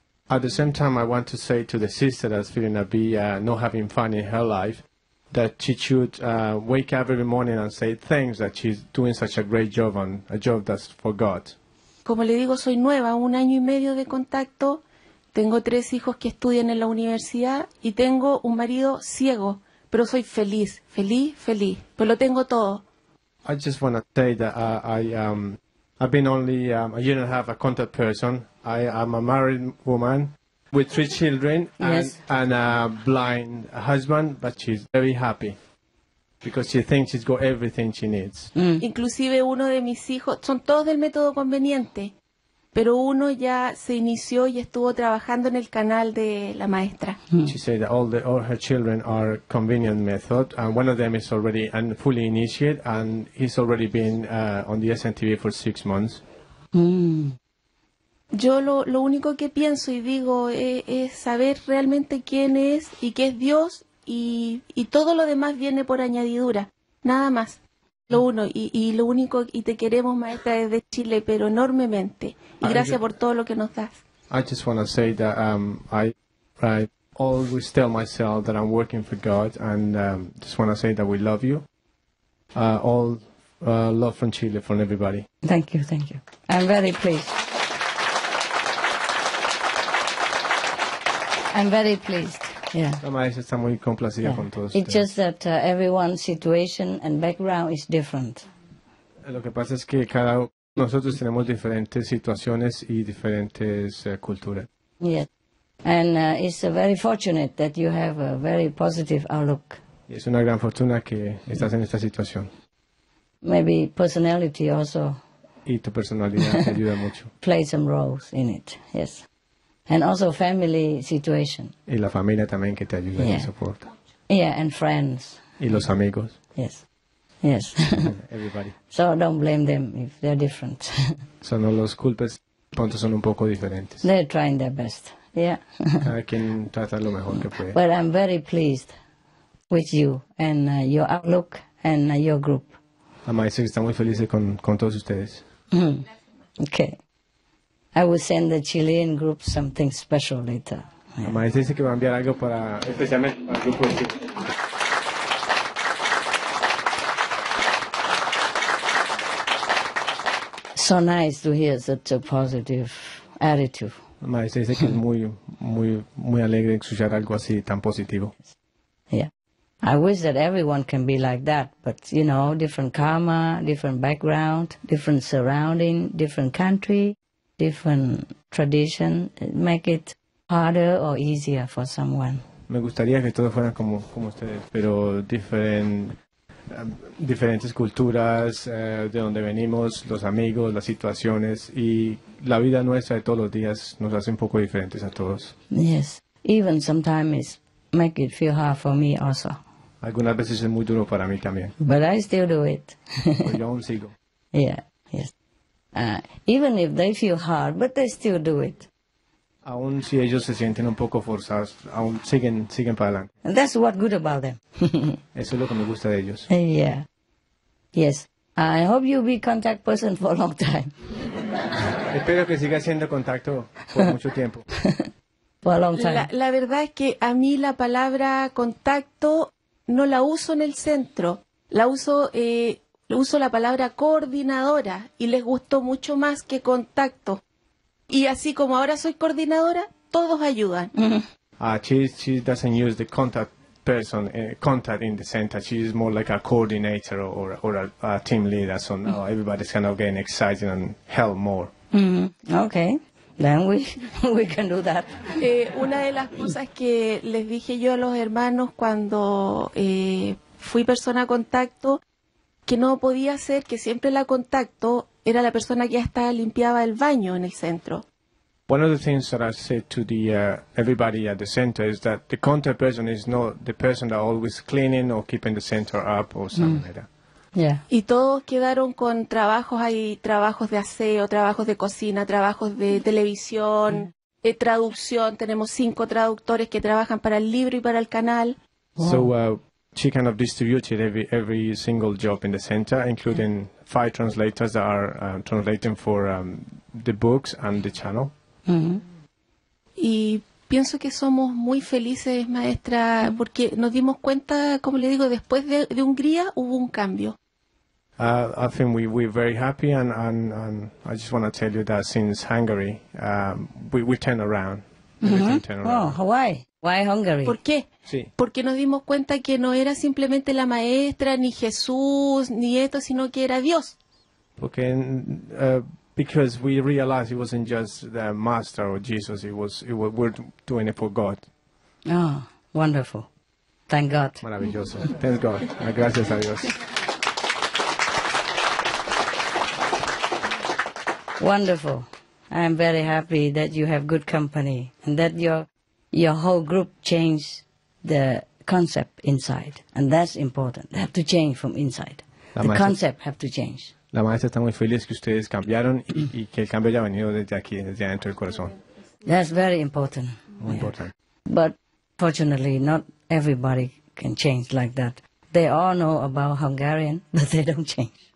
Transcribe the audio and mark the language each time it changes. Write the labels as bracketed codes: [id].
[en] At the same time, I want to say to the sister that's feeling a bit not having fun in her life, that she should wake up every morning and say thanks that she's doing such a great job and a job that's for God. [es] Como le digo, soy nueva, un año y medio de contacto, tengo tres hijos que estudian en la universidad y tengo un marido ciego. Pero soy feliz, feliz, feliz. Pero lo tengo todo. [en] I just want to say that I've been only a year and a half a contact person. I am a married woman with three children and a blind husband, but she's very happy because she thinks she's got everything she needs. Mm. [es] Inclusive uno de mis hijos, son todos del método conveniente, pero uno ya se inició y estuvo trabajando en el canal de la maestra. [en] She said that all her children are convenient method, and one of them is already and fully initiated, and he's already been on the SNTV for 6 months. Mm. [es] Yo lo único que pienso y digo es saber realmente quién es y qué es Dios, y todo lo demás viene por añadidura, nada más. Lo uno, y lo único, y te queremos, maestra, desde Chile, pero enormemente. Y gracias por todo lo que nos das. [en] I just want to say that I always tell myself that I'm working for God, and just want to say that we love you. All love from Chile, from everybody. Thank you, thank you. I'm very pleased. I'm very pleased. Yeah. It's just that everyone's situation and background is different. [es] Lo que pasa es que cada nosotros tenemos diferentes situaciones y diferentes culturas. [en] Yes, and it's very fortunate that you have a very positive outlook. [es] Es una gran fortuna que estás en esta situación. [en] Maybe personality also. [es] Y tu personalidad te ayuda mucho. [en] Play some roles in it. Yes. And also family situation. [es] Y la familia también que te ayuda y soporta. [en] Yeah, and friends. [es] Y los amigos. [en] Yes. Yes. Everybody. So don't blame them if they're different. [es] So no los culpes, pronto son un poco diferentes. [en] They're trying their best. Yeah. [es] Cada quien trata lo mejor que puede. [en] But I'm very pleased with you and your outlook and your group. [es] La maestra está muy feliz con todos ustedes. [en] Mm. Okay. I will send the Chilean group something special later. [es] Maestra dice que va a enviar algo para especialmente para el grupo. [en] So nice to hear such a positive attitude. [es] Maestra, dice que es muy, muy, muy alegre escuchar algo así tan positivo. [en] Yeah. I wish that everyone can be like that, but, you know, different karma, different background, different surrounding, different country, different tradition, make it harder or easier for someone. [es] Me gustaría que todos fueran como, como ustedes, pero diferentes culturas, de donde venimos, los amigos, las situaciones, y la vida nuestra de todos los días nos hace un poco diferentes a todos. [en] Yes, even sometimes make it feel hard for me also. [es] Algunas veces es muy duro para mí también. [en] But I still do it. [es] Yo aún sigo. [en] Yeah, yes. Even if they feel hard, but they still do it. [es] Aún si ellos se sienten un poco forzados, aún siguen para adelante. [en] And that's what good about them. [es] Eso es lo que me gusta de ellos. [en] Yeah. Yes. I hope you'll be contact person for a long time. [es] Espero que siga siendo contacto por mucho tiempo. [en] For a long time. [es] La verdad es que a mí la palabra contacto no la uso en el centro, la uso, uso la palabra coordinadora y les gustó mucho más que contacto. Y así como ahora soy coordinadora, todos ayudan. [en] She doesn't use the contact person, contact in the center. She's more like a coordinator or a team leader. So now everybody's kind of getting excited and help more. Mm-hmm. Okay. Then we can do that. [es] Una de las cosas que les dije yo a los hermanos cuando fui persona contacto, que no podía ser que siempre la contacto era la persona que hasta limpiaba el baño en el centro. [en] One of the things that I said to the everybody at the center is that the contact person is not the person that always cleaning or keeping the center up or something like that. Yeah. [es] Y todos quedaron con trabajos, hay trabajos de aseo, trabajos de cocina, trabajos de televisión, traducción, tenemos 5 traductores que trabajan para el libro y para el canal. [en] Wow. So she kind of distributed every single job in the center, including 5 translators that are translating for the books and the channel. Mm-hmm. [es] Y pienso que somos muy felices, maestra, porque nos dimos cuenta, como le digo, después de Hungría hubo un cambio. [en] I think we're very happy, and I just want to tell you that since Hungary, we turn around. Oh, Hawaii. Why Hungary? [es] ¿Por qué? Sí. Porque nos dimos cuenta que no era simplemente la maestra, ni Jesús, ni esto, sino que era Dios. Porque, [en] because we realized it wasn't just the master or Jesus, it was we're doing it for God. Oh, wonderful. Thank God. [es] Maravilloso. [en] Thank God. [es] Gracias a Dios. [en] Wonderful. I'm very happy that you have good company and that your whole group changed the concept inside. And that's important. They have to change from inside. The concept have to change. [es] La maestra está muy feliz que ustedes cambiaron y que el cambio haya venido desde aquí, desde dentro del corazón. [en] That's very important. [es] Muy important. [en] But fortunately, not everybody can change like that. They all know about Hungarian, but they don't change.